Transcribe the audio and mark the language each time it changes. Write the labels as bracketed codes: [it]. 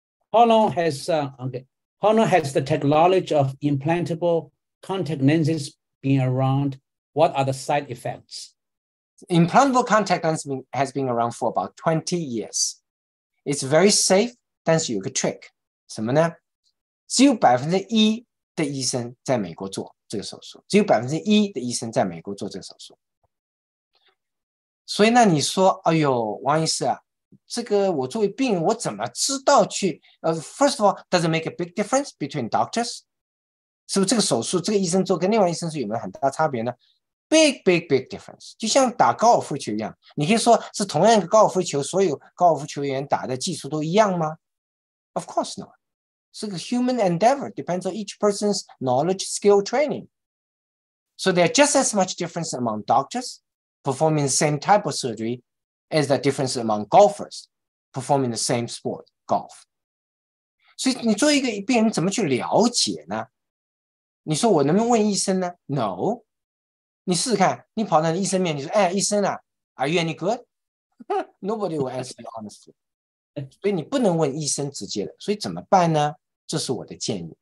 [en] How long has the technology of implantable contact lenses been around? What are the side effects? Implantable contact lens has been around for about 20 years. It's very safe, [zh] 但是有个 trick， 什么呢？只有 1% 的医生在美国做这个手术，只有 1% 的医生在美国做这个手术。所以那你说，哎呦，王医师啊，这个我作为病人，我怎么知道去？ [en] First of all, does it make a big difference between doctors? [zh] 是不是这个手术，这个医生做跟另外医生是有没有很大差别呢？ [en] Big difference. [zh] 就像打高尔夫球一样，你可以说是同样一个高尔夫球，所有高尔夫球员打的技术都一样吗？ [en] Of course not. [zh] 是个 [en] human endeavor, depends on each person's knowledge, skill, training. So there are just as much difference among doctors performing the same type of surgery. Is the difference among golfers performing the same sport, golf? [zh] 所以你作为一个病人怎么去了解呢？你说我能不能问医生呢？ [en] No. [zh] 你试试看，你跑到医生面，你说，哎，医生啊， [en] are you any good? Nobody will answer you honestly. [zh] 所以你不能问医生直接的，所以怎么办呢？这是我的建议。